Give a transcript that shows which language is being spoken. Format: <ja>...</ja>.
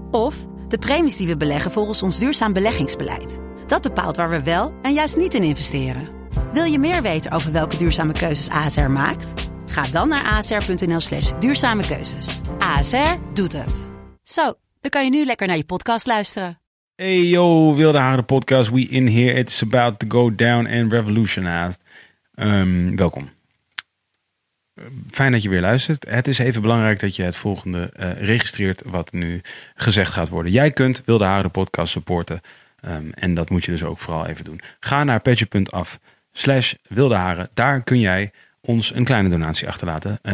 <nl>Of de premies die we beleggen volgens ons duurzaam beleggingsbeleid. Dat bepaalt waar we wel en juist niet in investeren. Wil je meer weten over welke duurzame keuzes ASR maakt? Ga dan naar asr.nl/duurzamekeuzes. ASR doet het. Zo, dan kan je nu lekker naar je podcast luisteren.</nl> <en>Hey yo, Wilde Haren Podcast, we in here. It's about to go down and revolutionized.</en> <nl>Welkom. Fijn dat je weer luistert. Het is even belangrijk dat je het volgende registreert wat nu gezegd gaat worden. Jij kunt Wilde Haren Podcast supporten en dat moet je dus ook vooral even doen. Ga naar petje.af/wildeharen. Daar kun jij ons een kleine donatie achterlaten.</nl>